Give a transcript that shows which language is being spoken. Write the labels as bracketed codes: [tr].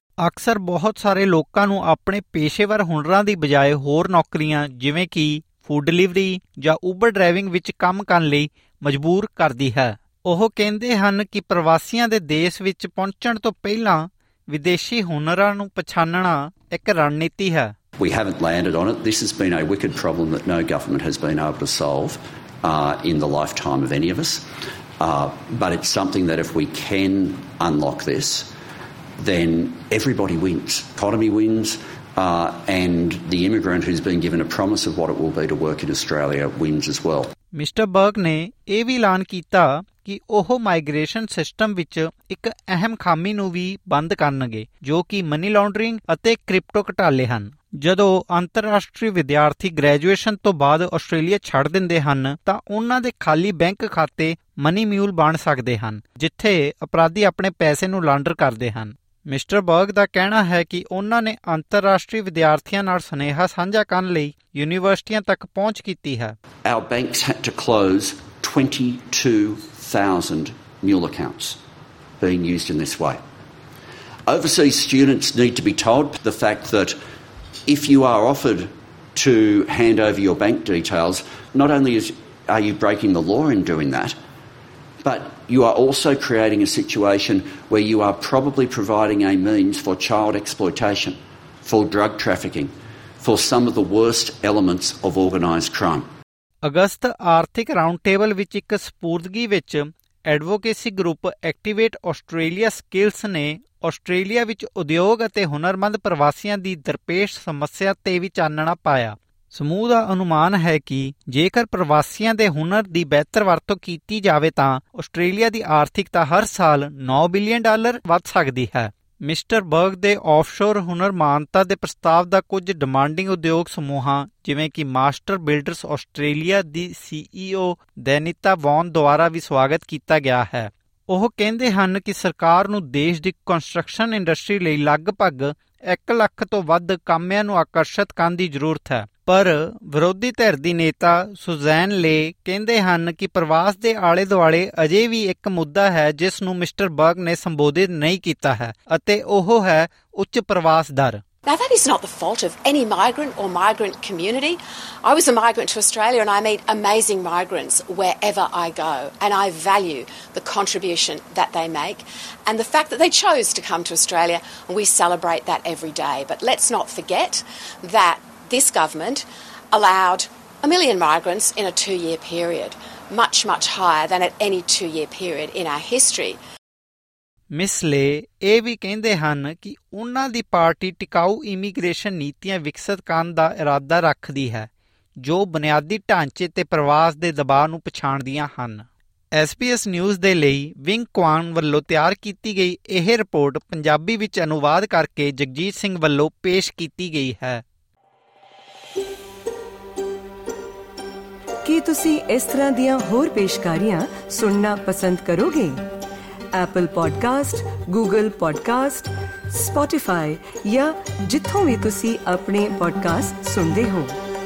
[pa] ਅਕਸਰ ਬਹੁਤ ਸਾਰੇ ਲੋਕਾਂ ਨੂੰ ਆਪਣੇ ਪੇਸ਼ੇਵਰ ਹੁਨਰਾਂ ਦੀ ਬਜਾਏ ਹੋਰ ਨੌਕਰੀਆਂ ਜਿਵੇਂ ਕਿ ਫੂਡ ਡਿਲੀਵਰੀ ਜਾਂ ਉਬਰ ਡਰਾਈਵਿੰਗ ਵਿੱਚ ਕੰਮ ਕਰਨ ਲਈ ਮਜਬੂਰ ਕਰਦੀ ਹੈ। ਉਹ ਕਹਿੰਦੇ ਹਨ ਕਿ ਪ੍ਰਵਾਸੀਆਂ ਦੇ ਦੇਸ਼ ਵਿੱਚ ਪਹੁੰਚਣ ਤੋਂ ਪਹਿਲਾਂ ਵਿਦੇਸ਼ੀ ਹੁਨਰਾਂ ਨੂੰ ਪਛਾਣਨਾ ਇੱਕ ਰਣਨੀਤੀ ਹੈ। [en] We haven't landed on it. This has been a wicked problem that no government has been able to solve in the lifetime of any of us. But it's something that if we can unlock this, then everybody wins. Economy wins, and the immigrant who's been given a promise of what it will be to work in Australia wins as well. [pa] Mr. Burke ne eh vi elan kita ki oh migration system vich ik ahem khami nu vi band karnge jo ki money laundering ate crypto ghotale han. ਜਦੋਂ ਅੰਤਰਰਾਸ਼ਟਰੀ ਵਿਦਿਆਰਥੀ graduation ਤੋਂ ਬਾਅਦ Australia ਛੱਡ ਦਿੰਦੇ ਹਨ ਤਾਂ ਉਹਨਾਂ ਦੇ ਖਾਲੀ ਬੈਂਕ ਖਾਤੇ ਮਨੀ ਮਿਊਲ ਬਣ ਸਕਦੇ ਹਨ ਜਿੱਥੇ ਅਪਰਾਧੀ ਆਪਣੇ ਪੈਸੇ ਨੂੰ ਲਾਂਡਰ ਕਰਦੇ ਹਨ। ਮਿਸਟਰ ਬਰਗ ਦਾ ਕਹਿਣਾ ਹੈ ਕਿ ਉਹਨਾਂ ਨੇ ਅੰਤਰਰਾਸ਼ਟਰੀ ਵਿਦਿਆਰਥੀਆਂ ਨਾਲ ਸੁਨੇਹਾ ਸਾਂਝਾ ਕਰਨ ਲਈ ਯੂਨੀਵਰਸਿਟੀਆਂ ਤੱਕ ਪਹੁੰਚ ਕੀਤੀ ਹੈ। [en] Our banks had to close 22,000 mule accounts being used in this way. Overseas students need to be told the fact that if you are offered to hand over your bank details, not only are you breaking the law in doing that, but you are also creating a situation where you are probably providing a means for child exploitation, for drug trafficking, for some of the worst elements of organised crime. [pa] ਅਗਸਤ ਆਰਥਿਕ round table ਵਿੱਚ ਇੱਕ ਸਪੁਰਦਗੀ ਵਿੱਚ advocacy group activate Australia skills ਨੇ Australia ਵਿੱਚ ਉਦਯੋਗ ਅਤੇ ਹੁਨਰਮੰਦ ਪ੍ਰਵਾਸੀਆਂ ਦੀ ਦਰਪੇਸ਼ ਸਮੱਸਿਆ ਤੇ ਵੀ ਚਾਨਣਾ ਪਾਇਆ। ਸਮੂਹ ਦਾ ਅਨੁਮਾਨ ਹੈ ਕਿ ਜੇਕਰ ਪ੍ਰਵਾਸੀਆਂ ਦੇ ਹੁਨਰ ਦੀ ਬਿਹਤਰ ਵਰਤੋਂ ਕੀਤੀ ਜਾਵੇ ਤਾਂ ਆਸਟ੍ਰੇਲੀਆ ਦੀ ਆਰਥਿਕਤਾ ਹਰ ਸਾਲ $9 ਬਿਲੀਅਨ ਵੱਧ ਸਕਦੀ ਹੈ। ਮਿਸਟਰ ਬਰਗ ਦੇ ਆਫਸ਼ੋਰ ਹੁਨਰ ਮਾਨਤਾ ਦੇ ਪ੍ਰਸਤਾਵ ਦਾ ਕੁਝ ਡਿਮਾਂਡਿੰਗ ਉਦਯੋਗ ਸਮੂਹਾਂ ਜਿਵੇਂ ਕਿ ਮਾਸਟਰ ਬਿਲਡਰਸ ਆਸਟ੍ਰੇਲੀਆ ਦੀ CEO ਦੈਨਿਤਾ ਵੌਨ ਦੁਆਰਾ ਵੀ ਸਵਾਗਤ ਕੀਤਾ ਗਿਆ ਹੈ। ਉਹ ਕਹਿੰਦੇ ਹਨ ਕਿ ਸਰਕਾਰ ਨੂੰ ਦੇਸ਼ ਦੀ ਕੰਸਟਰਕਸ਼ਨ ਇੰਡਸਟਰੀ ਲਈ ਲਗਭਗ 1 ਲੱਖ ਤੋਂ ਵੱਧ ਕਾਮਿਆਂ ਨੂੰ ਆਕਰਸ਼ਿਤ ਕਰਨ ਦੀ ਜ਼ਰੂਰਤ ਹੈ। ਪਰ ਵਿਰੋਧੀ ਧਿਰ ਦੀ ਨੇਤਾ ਸੁਜ਼ੈਨ ਲੇ ਕਹਿੰਦੇ ਹਨ ਕਿ ਪ੍ਰਵਾਸ ਦੇ ਆਲੇ ਦੁਆਲੇ ਅਜੇ ਵੀ ਇੱਕ ਮੁੱਦਾ ਹੈ ਜਿਸ ਨੂੰ ਮਿਸਟਰ ਬਰਗ ਨੇ ਸੰਬੋਧਿਤ ਨਹੀਂ ਕੀਤਾ ਹੈ ਅਤੇ ਉਹ ਹੈ ਉੱਚ ਪ੍ਰਵਾਸ ਦਰ। [en] Now that is not the fault of any migrant or migrant community. I was a migrant to Australia and I meet amazing migrants wherever I go and I value the contribution that they make and the fact that they chose to come to Australia and we celebrate that every day. But let's not forget that this government allowed 1 million migrants in a 2-year period, much, much higher than at any 2-year period in our history. [pa] ਮਿਸਲੇ ਇਹ ਵੀ ਕਹਿੰਦੇ ਹਨ ਕਿ ਉਨ੍ਹਾਂ ਦੀ party ਟਿਕਾਊ immigration ਨੀਤੀਆਂ ਵਿਕਸਿਤ ਕਰਨ ਦਾ ਇਰਾਦਾ ਰੱਖਦੀ ਹੈ ਜੋ ਬੁਨਿਆਦੀ ਢਾਂਚੇ ਤੇ ਪ੍ਰਵਾਸ ਦੇ ਦਬਾਅ ਨੂੰ ਪਛਾਣਦੀਆਂ ਹਨ। SBS ਨਿਊਜ਼ ਦੇ ਲਈ ਵਿੰਗ ਕੁਆਨ ਵੱਲੋਂ ਤਿਆਰ ਕੀਤੀ ਗਈ ਇਹ ਰਿਪੋਰਟ ਪੰਜਾਬੀ ਵਿੱਚ ਅਨੁਵਾਦ ਕਰਕੇ ਜਗਜੀਤ ਸਿੰਘ ਵੱਲੋਂ ਪੇਸ਼ ਕੀਤੀ ਗਈ ਹੈ। ਕੀ ਤੁਸੀਂ ਇਸ ਤਰ੍ਹਾਂ ਦੀਆਂ ਹੋਰ ਪੇਸ਼ਕਾਰੀਆਂ ਸੁਣਨਾ ਪਸੰਦ ਕਰੋਗੇ? Apple Podcast, Google Podcast, Spotify या जिथों भी तुसी अपने podcast सुनते हो।